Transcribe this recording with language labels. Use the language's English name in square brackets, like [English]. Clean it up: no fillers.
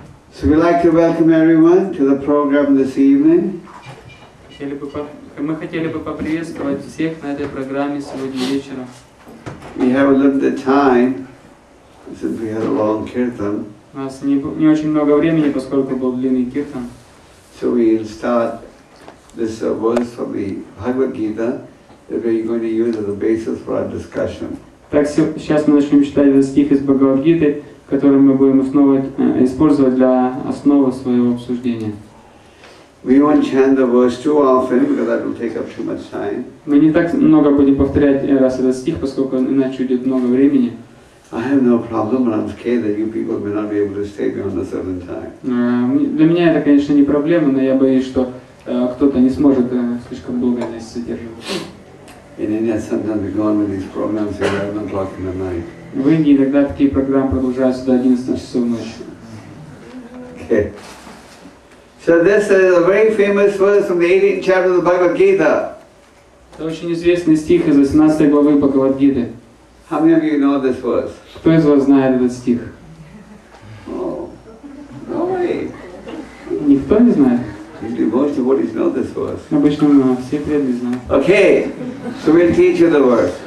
[English] So we'd like to welcome everyone to the program this evening. [Russian] Мы хотели бы поприветствовать всех на этой программе сегодня вечером. [English] We have a limited time since we had a long kirtan. [Russian] У нас не очень много времени, поскольку был длинный kirtan. [English] So we'll start this verse from the Bhagavad Gita that we're going to use as a basis for our discussion. [Russian] Так, сейчас мы начнем читать этот стих из Бхагавад-гиты, который мы будем использовать для основы своего обсуждения. [English] We won't chant the verse too often, because that will take up too much time. [Russian] Мы не так много будем повторять раз этот стих, поскольку иначе уйдет много времени. [English] I have no problem, but I'm scared that you people may not be able to stay beyond a certain time. [Russian] Для меня это, конечно, не проблема, но я боюсь, что кто-то не сможет слишком долго здесь содерживаться. [English] In India, sometimes we go on with these programs at 11 o'clock in the night. [Russian] В Индии иногда такие программы продолжаются до 11 часов ночи. [English] Okay. So this is a very famous verse from the 18th chapter of the Bhagavad Gita. [Russian] Это очень известный стих из 18 главы Бхагавад Гиты. [English] How many of you know this verse? [Russian] Кто из вас знает этот стих? [English] Oh, nobody. [Russian] Никто не знает. [English] Usually most devotees know this verse. [Russian] Обычно все преданные знают. [English] Okay. So we'll teach you the verse.